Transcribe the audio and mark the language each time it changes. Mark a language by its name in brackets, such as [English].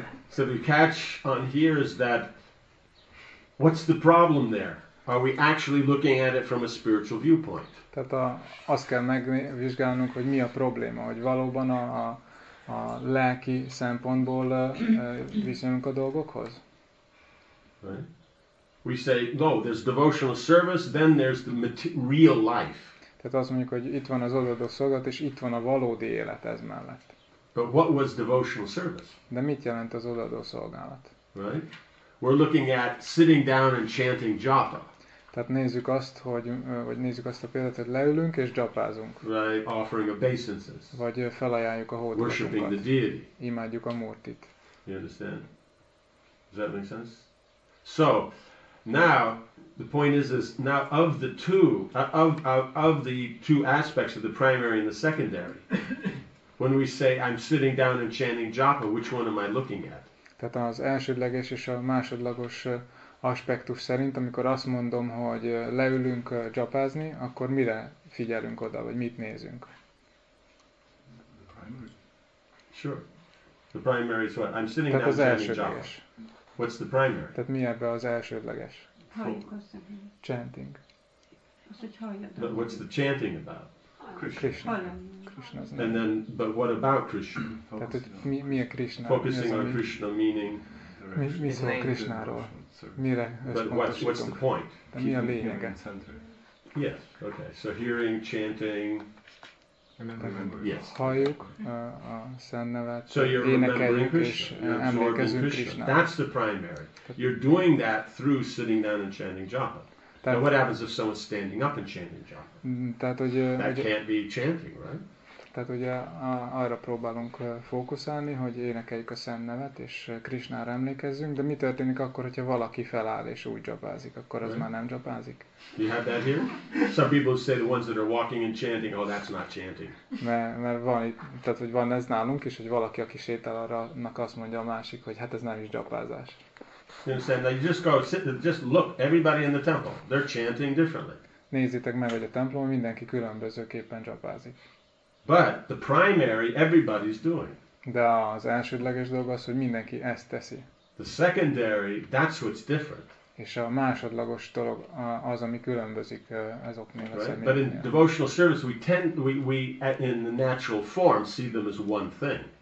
[English] So the catch on here is that, what's the problem there? Are we actually looking at it from a spiritual viewpoint? [Hungarian] Tehát azt kell megvizsgálnunk, hogy mi a probléma, hogy valóban a lelki szempontból viszonyunk a dolgokhoz. [English] Right. We say, no, there's devotional service, then there's the real life. [Hungarian] Tehát azt mondjuk, hogy itt van az odaadó szolgálat, és itt van a valódi élet ez mellett. [English] But what was devotional service? [Hungarian] De mit jelent az odaadó szolgálat? [English] Right. We're looking at sitting down and chanting japa. [Hungarian] Tehát nézzük azt, hogy vagy nézzük azt a példát, hogy leülünk és japázunk. [English] Right, offering obeisances. [Hungarian] Vagy felajánljuk a hódolatunkat. [English] Worshiping the deity. [Hungarian] Imádjuk a Murtit. [English] You understand? Does that make sense? So, now the point is now of the two of the two aspects of the primary and the secondary. When we say I'm sitting down and chanting japa, which one am I looking at? [Hungarian] Tehát az elsődleges és a másodlagos aspektus szerint, amikor azt mondom, hogy leülünk japázni, akkor mire figyelünk oda, vagy mit nézünk? [English] The primary. Sure. The primary is what? I'm sitting [Hungarian] tehát [English] down chanting [Hungarian] elsődleges. [English] Japa. What's the primary? [Hungarian] Tehát mi ebbe az elsődleges? Hallgatni. [English] Chanting. [Hungarian] Az, hogy halljad. [English] But what's the chanting about? Krishna. Krishna. And then, but what about Krishna? [Hungarian] Tehát, hogy mi a Krishna? [English] Focusing on Krishna meaning? [Hungarian] Mi szól Krishnáról? Mire összpontosítunk? Mi a lényege? [English] Yes, okay. So hearing, chanting, remember. [Hungarian] Halljuk a szent nevet, [English] so you're [Hungarian] énekeljük Krishna, és emlékezünk Krishnára. [English] That's the primary. You're doing that through sitting down and chanting japa. Now what happens if someone's standing up and chanting japa? [Hungarian] Tehát, hogy, [English] that can't be chanting, right? [Hungarian] Tehát ugye arra próbálunk fókuszálni, hogy énekeljük a szent nevet és Krishnára emlékezzünk, de mi történik akkor, hogyha valaki feláll és úgy japázik, akkor az [English] right. [Hungarian] Már nem japázik. [English] You have that here? Some people say the ones that are walking and chanting, oh that's not chanting. [Hungarian] Mert van itt, tehát hogy van ez nálunk is, hogy valaki, aki sétál arra, annak azt mondja a másik, hogy hát ez nem is japázás. [English] You understand? Now you just go sit, just look, everybody in the temple, they're chanting differently. [Hungarian] nézzétek meg, hogy a templomban mindenki különbözőképpen dzsapázik. [English] But the primary everybody's doing. [Hungarian] De az elsődleges dolog az, hogy mindenki ezt teszi. [English] The secondary, that's what's different. [Hungarian] És a másodlagos dolog az, ami különbözik azoknél [English] right? [Hungarian] a személyeknél. [English] But in devotional service, we tend, we in the natural form see them as one thing.